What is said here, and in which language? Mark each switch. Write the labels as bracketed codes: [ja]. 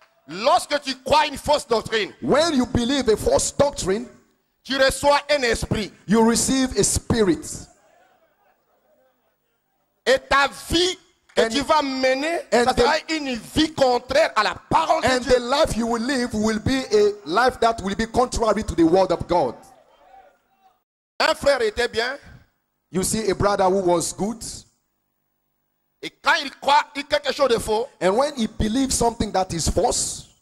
[fr] Lorsque tu crois une fausse doctrine, [en] when you believe a false doctrine, [fr] tu reçois un esprit, [en] you receive a spirit, [fr] et ta vie que tu vas mener, ça sera une vie contraire à la parole de Dieu. [en] And the life you will live will be a life that will be contrary to the word of God. [fr] Un frère était bien. [en] You see a brother who was good. [fr] Et quand il croit il quelque chose de faux, [en] and when he believes something that is false,